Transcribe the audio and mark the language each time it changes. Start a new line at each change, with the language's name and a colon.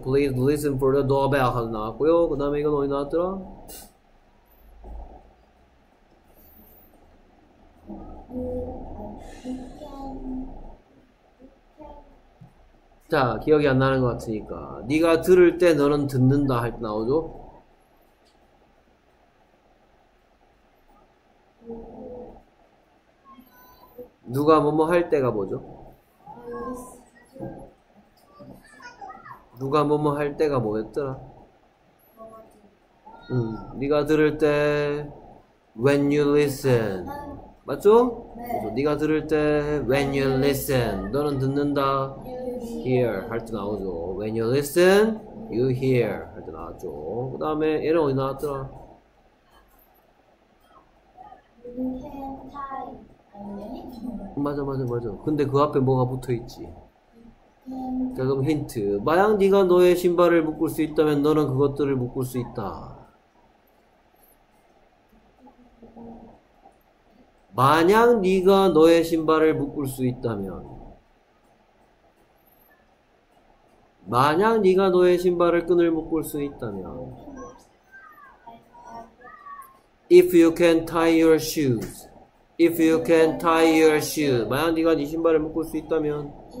English: Please listen for the doorbell
Korean: 할 때 나왔고요. 그 다음에 이건 어디 나왔더라? 자, 기억이 안 나는 것 같으니까. 네가 들을 때 너는 듣는다 할 때 나오죠? 누가 뭐뭐 할 때가 뭐죠? 누가 뭐뭐 할 때가 뭐였더라? 네가 들을 때
English: when you listen
Korean: 맞죠? 네. 네가 들을 때
English: when you listen
Korean: 너는 듣는다 hear 할 때 나오죠.
English: When you listen, you hear
Korean: 할 때 나왔죠. 그 다음에 얘는 어디 나왔더라?
English: You can tie.
Korean: 맞아. 근데 그 앞에 뭐가 붙어 있지? 자, 그럼 힌트. 만약 네가 너의 신발을 묶을 수 있다면 너는 그것들을 묶을 수 있다. 만약 네가 너의 신발을 묶을 수 있다면. 만약 네가 너의 신발을 끈을 묶을 수 있다면
English: If you can tie your shoes. If you can tie your shoes.
Korean: 만약 네가 네 신발을 묶을 수 있다면.